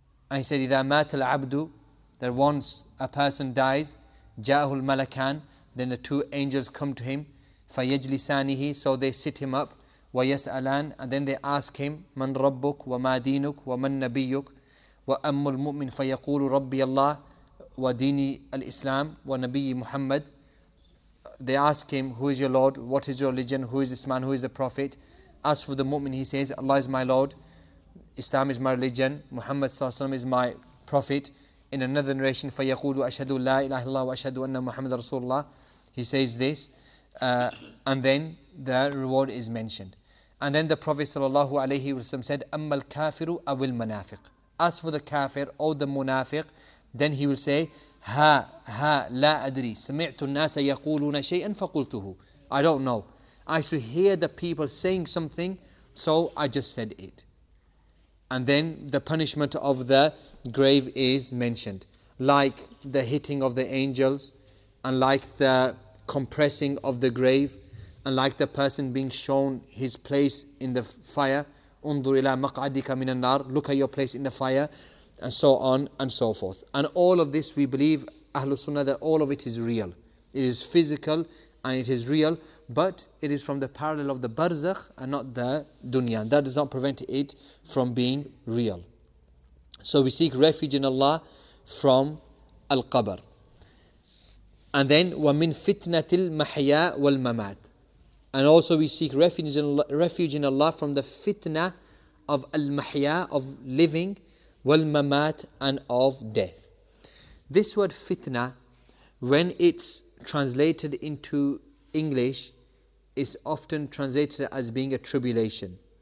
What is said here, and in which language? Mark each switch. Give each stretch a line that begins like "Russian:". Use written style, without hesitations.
English: And he said,
Arabic: إِذَا مَاتَ الْعَبْدُ,
English: that once a person dies,
Arabic: جَاءُهُ الْمَلَكَانِ,
English: then the two angels come to him,
Arabic: فَيَجْلِسَانِهِ,
English: so they sit him up,
Arabic: وَيَسْأَلَانِ,
English: and then they ask him,
Arabic: مَنْ رَبُّكُ وَمَا دِينُكُ وَمَنْ نَبِيُّكُ وَأَمُّ الْمُؤْمِنِ فَيَقُولُ رَبِّيَ اللَّهِ وَدِينِي الْإِسْلَامِ وَنَبِيِّ مُحَمَّدِ.
English: They ask him, who is your Lord? What is your religion? Who is this man? Who is the Prophet? As for the mu'min, he says, Allah is my Lord, Islam is my religion, Muhammad sallallahu alayhi wa sallam is my Prophet.
Arabic: In another narration, فَيَقُولُ أَشْهَدُ لَا إِلَهِ اللَّهِ وَأَشْهَدُ أَنَّ مُحَمَّدَ رَسُولُ اللَّهِ.
English: He says this, and then the reward is mentioned. And then the Prophet sallallahu alayhi wa sallam said,
Arabic: أَمَّا الْكَافِرُ أَوِ الْمُنَافِقِ.
English: As for the kafir or the munafiq, then he will say,
Arabic: هَا هَا لَا أَدْرِي سَمِعْتُ النَّاسَ يَقُولُونَ شَيْئًا فَقُلْتُهُ.
English: I don't know. I used to hear the people saying something, so I just said it. And then the punishment of the grave is mentioned, like the hitting of the angels, and like the compressing of the grave, and like the person being shown his place in the fire,
Arabic: انظر إلى مقعدك من النار,
English: look at your place in the fire, and so on and so forth. And all of this, we believe, Ahlul Sunnah, that all of it is real. It is physical and it is real, but it is from the parallel of the barzakh and not the dunya. And that does not prevent it from being real. So we seek refuge in Allah from al-qabr.
Arabic: And then, وَمِنْ فِتْنَةِ الْمَحْيَا وَالْمَمَاتِ.
English: And also we seek refuge in Allah from the fitna of al-mahya, of living, wal-mamat, and of death. This word fitna, when it's translated into English, is often translated as being a tribulation.